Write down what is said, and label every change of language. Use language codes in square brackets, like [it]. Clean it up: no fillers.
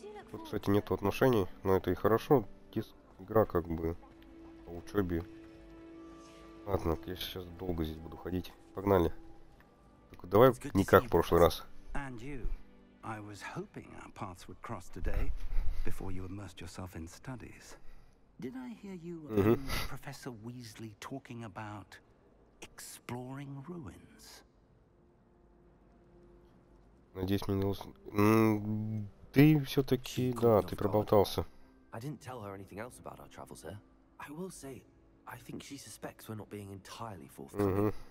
[ru] Тут, кстати, нету отношений, но это и хорошо. Игра как бы по учебе. Ладно, я сейчас долго здесь буду ходить. Погнали. Так, давай не как в прошлый раз. [en] I was hoping our paths would cross today before you immersed yourself in studies. Did I hear you and Professor Weasley talking about exploring ruins? [ru] Надеюсь, мне не лучше. Ты все-таки, да, ты проболтался. [en] I didn't tell her anything else about our travels, sir. I will say, I think she suspects we're not being entirely forthcoming.